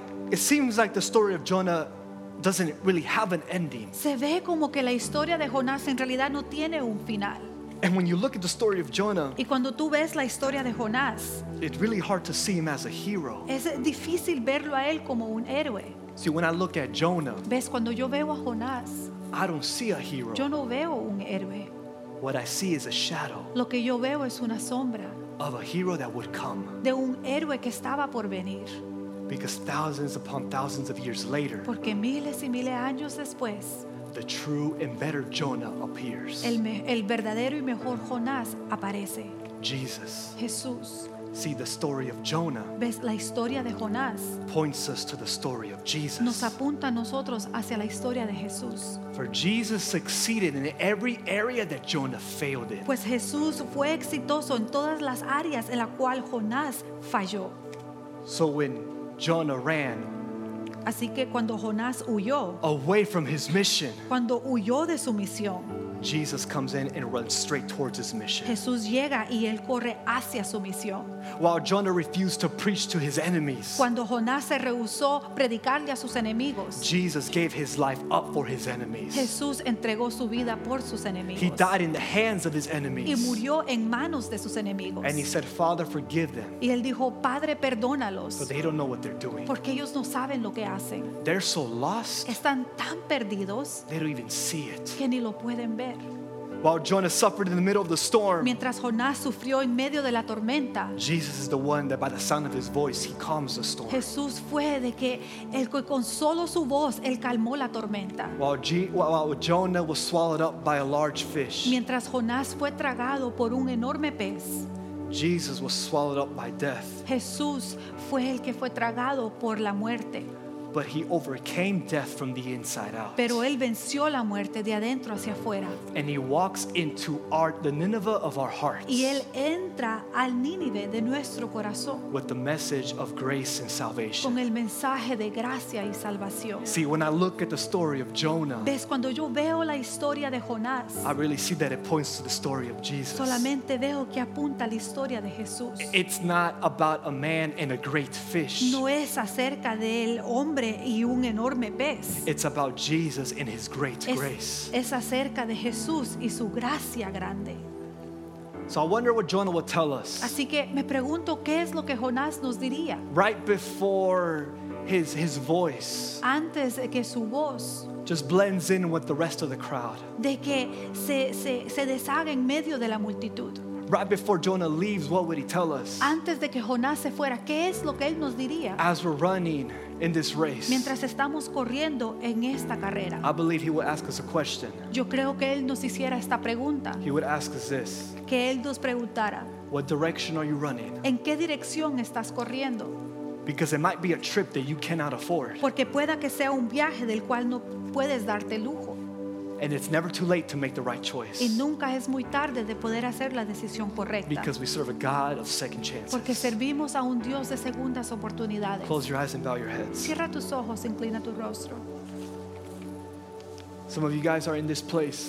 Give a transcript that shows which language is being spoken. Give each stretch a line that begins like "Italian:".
English: It seems like the story of Jonah doesn't really have an ending.
Spanish: Se ve como que la historia de Jonás en realidad no tiene un final.
English: And when you look at the story of Jonah,
Spanish: y cuando tú ves la historia de Jonás,
English: it's really hard to see him as a hero.
Spanish: Es difícil verlo a él como un héroe.
English: See, when I look at Jonah,
Spanish: ves, cuando yo veo a Jonás,
English: I don't see a hero.
Spanish: Yo no veo un héroe.
English: What I see is a shadow.
Spanish: Lo que yo veo es una sombra.
English: Of a hero that would come.
Spanish: De un héroe que estaba por venir.
English: Because thousands upon thousands of years later,
Spanish: porque miles y miles de años después,
English: the true and better Jonah appears.
Spanish: El verdadero y mejor Jonás aparece.
English: Jesus.
Spanish: Jesús.
English: See, the story of Jonah.
Spanish: Ves, la historia de Jonás.
English: Points us to the story of Jesus.
Spanish: Nos apunta a nosotros hacia la historia de Jesús.
English: For Jesus succeeded in every area that Jonah failed in.
Spanish: Pues Jesús fue exitoso en todas las áreas en la cual Jonás falló.
English: So when Jonah ran.
Spanish: Así que cuando Jonás huyó,
English: away from his mission,
Spanish: cuando huyó de su misión,
English: Jesus comes in and runs straight towards his mission.
Spanish: Jesús llega y él corre hacia su misión.
English: While Jonah refused to preach to his enemies,
Spanish: cuando Jonás se rehusó predicarle a sus enemigos,
English: Jesus gave his life up for his enemies.
Spanish: Jesús entregó su vida por sus enemigos.
English: He died in the hands of his enemies.
Spanish: Y murió en manos de sus enemigos.
English: And he said, "Father, forgive them."
Spanish: Y él dijo, "Padre, perdónalos."
English: But they don't know what they're doing.
Spanish: Porque ellos no saben lo que hacen.
English: They're so lost.
Spanish: Están tan perdidos.
English: They don't even see it.
Spanish: Que ni lo pueden ver.
English: While Jonah suffered in the middle of the storm,
Spanish: mientras Jonás sufrió en medio de la tormenta,
English: Jesus is the one that by the sound of his voice he calms the storm.
Spanish: Jesús fue de que el que con solo su voz él calmó la tormenta.
English: While Jonah was swallowed up by a large fish,
Spanish: mientras Jonás fue tragado por un enorme pez,
English: Jesus was swallowed up by death.
Spanish: Jesús fue el que fue tragado por la muerte.
English: But he overcame death from the inside out.
Spanish: Pero él venció la muerte de adentro hacia afuera.
English: And he walks into the Nineveh of our hearts.
Spanish: Y él entra al Nínive de nuestro corazón.
English: With the message of grace and salvation.
Spanish: Con el mensaje de gracia y salvación.
English: See, when I look at the story of Jonah.
Spanish: Ves, cuando yo veo la historia de Jonás.
English: I really see that it points to the story of Jesus.
Spanish: Solamente veo que apunta a la historia de Jesús.
English: It's not about a man and a great fish.
Spanish: No es acerca del hombre. Y un enorme pez.
English: It's about Jesus and his great grace.
Spanish: Es acerca de Jesús y su gracia grande.
English: So I wonder what Jonah would tell us.
Spanish: Así que me pregunto qué es lo que Jonás nos diría.
English: Right before his voice.
Spanish: Antes de que su voz
English: just blends in with the rest of the crowd.
Spanish: De que se deshaga en medio de la multitud.
English: Right before Jonah leaves, what would he tell us?
Spanish: Antes de que Jonás se fuera, ¿qué es lo que él nos diría?
English: As we're running in this race.
Spanish: Mientras estamos corriendo en esta carrera.
English: I believe he would ask us a question.
Spanish: Yo creo que él nos hiciera esta pregunta.
English: He would ask us this.
Spanish: Que él nos preguntara.
English: What direction are you running?
Spanish: ¿En qué dirección estás corriendo?
English: Because it might be a trip that you cannot afford.
Spanish: Porque pueda que sea un viaje del cual no puedes darte lujo.
English: And it's never too late to make the right choice.
Spanish: Y nunca es muy tarde de poder hacer la decisión correcta.
English: Because we serve a God of second chances.
Spanish: Porque servimos a un Dios de segundas oportunidades.
English: Close your eyes and bow your heads.
Spanish: Cierra tus ojos, inclina tu rostro.
English: Some of you guys are in this place.